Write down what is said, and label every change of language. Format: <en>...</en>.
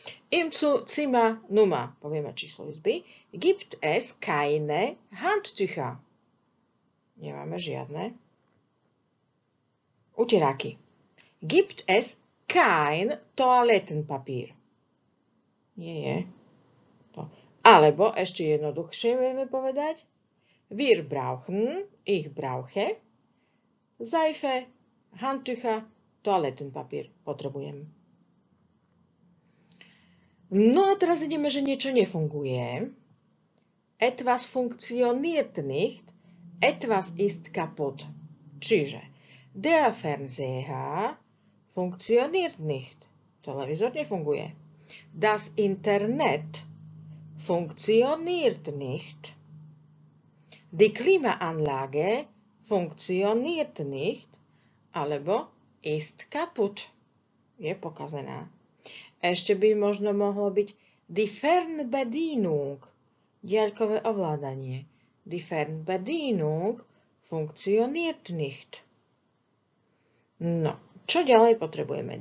<de>Im Zimmer Nummer,</de> <sk>povieme číslo izby,</sk> <de>gibt es keine Handtücher.</de> <sk>Nemáme žiadne. Utieráky.</sk> <de>Gibt es kein Toilettenpapier.</de> <sk>Nie je. To. Alebo ešte jednoduchšie vieme povedať.</sk> <de>Wir brauchen, ich brauche, Seife, Handtücher, Toilettenpapier.</de> <sk>Potrebujem. No a teraz ideme, že niečo nefunguje.</sk> <de>Etwas funktioniert nicht, etwas ist kaputt. Čiže der Fernseher funktioniert nicht.</de> <sk>Televizor nefunguje.</sk> <de>Das Internet funktioniert nicht. Die Klimaanlage funktioniert nicht.</de> <sk>Alebo</sk> <de>ist kaputt.</de> <sk>Je pokazená. Ešte by možno mohlo byť die Fernbedienung, diaľkové ovládanie.</sk> <de>Die Fernbedienung funktioniert nicht.</de> <sk>No, čo ďalej potrebujeme?</sk>